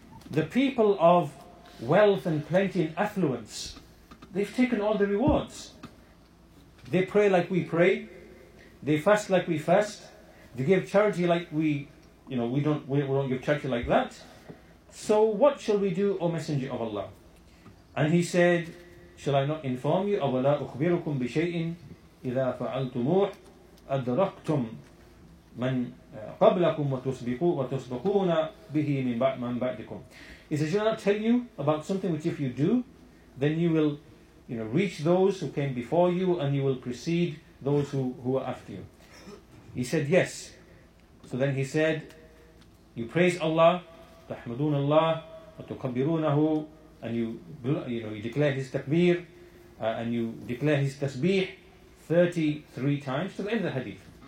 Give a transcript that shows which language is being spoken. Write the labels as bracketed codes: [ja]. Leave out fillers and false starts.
[en] The people of wealth and plenty and affluence, they've taken all the rewards. They pray like we pray, they fast like we fast, they give charity like we, you know, we don't give charity like that. So what shall we do, O Messenger of Allah? And he said, shall I not inform you? [ar] أولا أخبركم بشيء إذا فعلتموه أدركتم من قبلكم وتسبقون به من بعدكم. [en] He says, shall I not tell you about something which if you do, then you will, you know, reach those who came before you and you will precede those who are after you. He said, yes. So then he said, you praise Allah, [ar] تحمدون الله وتكبرونه, [en] and you declare his takbir and you declare his tasbih 33 times to the end of the hadith.